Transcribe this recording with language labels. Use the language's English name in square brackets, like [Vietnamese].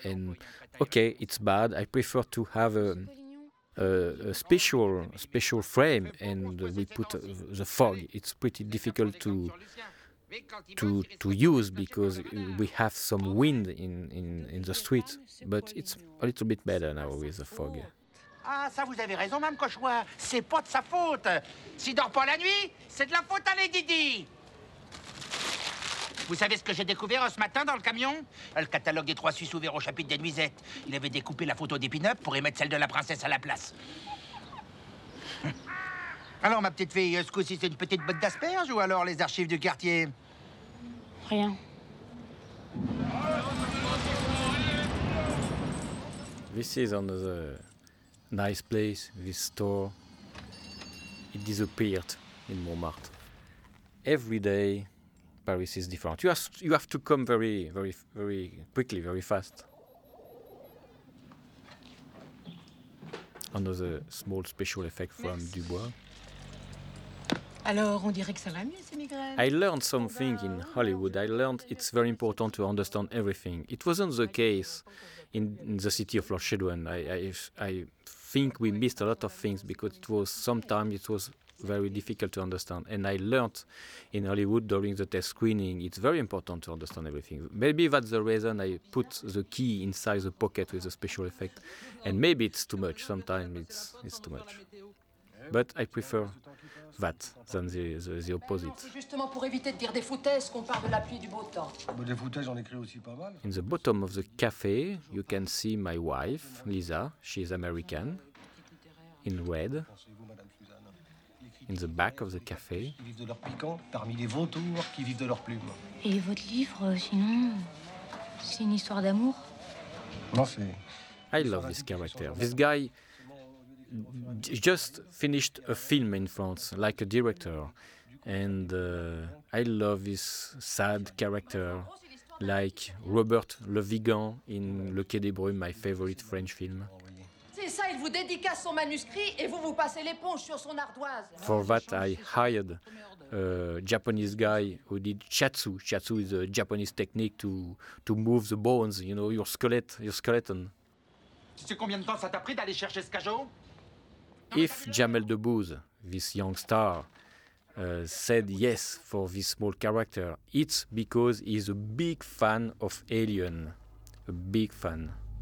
[English] And okay, it's bad. I prefer to have a special frame, and we put the fog. It's pretty difficult to use because we have some wind in the street, but it's a little bit better now with the fog. [French] Ah, ça vous avez raison, Mme Cauchois. C'est pas de sa faute. S'il dort pas la nuit, c'est de la faute à Lady Di. Vous savez ce que j'ai découvert ce matin dans le camion? Le catalogue des trois Suisses ouvert au chapitre des nuisettes. Il avait découpé la photo des pin-up pour y mettre celle de la princesse à la place. Alors, ma petite fille, ce coup-ci, c'est une petite botte d'asperges ou alors les archives du quartier? Rien. [English] This is another nice place, this store. It disappeared in Montmartre. Every day, Paris is different. You have to come very, very, very quickly, very fast. Another small special effect from Merci. Dubois. [French] Alors, on dirait que ça va mieux, ces migraines. [English] I learned something in Hollywood. I learned it's very important to understand everything. It wasn't the case in the City of Lost Children. I think we missed a lot of things because it was very difficult to understand. And I learned in Hollywood during the test screening, it's very important to understand everything. Maybe that's the reason I put the key inside the pocket with a special effect. And maybe it's too much. Sometimes it's too much. But I prefer that than the opposite. [French] Justement pour éviter de dire des foutaises, qu'on parle de la pluie et du beau temps. Des foutaises, j'en écris aussi pas mal. [English] In the bottom of the cafe, you can see my wife, Lisa. She's American, in red. In the back of the cafe. [French] Ils vivent de leur piquant, parmi les vautours qui vivent de leur plume. Et votre livre, sinon, c'est une histoire d'amour? Non, c'est... [English] I love this character. This guy just finished a film in France, like a director. And I love this sad character, like Robert Le Vigan in Le Quai des Brumes, my favorite French film. [French] C'est ça, il vous dédicace son manuscrit et vous passez l'éponge sur son ardoise. [English] For that, I hired a Japanese guy who did chatsu. Chatsu is a Japanese technique to move the bones, you know, your skeleton. [French] Tu sais combien de temps ça t'a pris d'aller chercher ce cajot? [English] If Jamel Debbouze, this young star, said yes for this small character, it's because he's a big fan of Alien. A big fan.